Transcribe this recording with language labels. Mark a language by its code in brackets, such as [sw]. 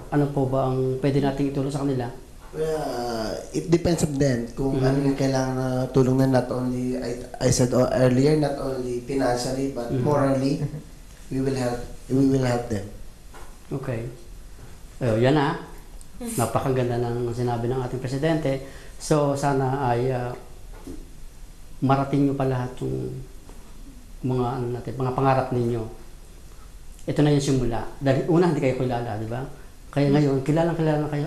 [tl] Ano po ba ang pwede nating itulong sa kanila? [en] Well, it depends on them kung mm-hmm. [tl] ano yung kailangan na tulong na [en] not only, I said earlier, not only financially but mm-hmm. morally, we will help them. Okay. Oh, yan ah. [tl] Napakaganda ng sinabi ng ating presidente. So sana ay marating nyo pa lahat yung mga ano natin, mga pangarap ninyo. Ito na yung simula. Dahil una hindi kayo kilala, di ba? Kaya ngayon, kilala na kayo.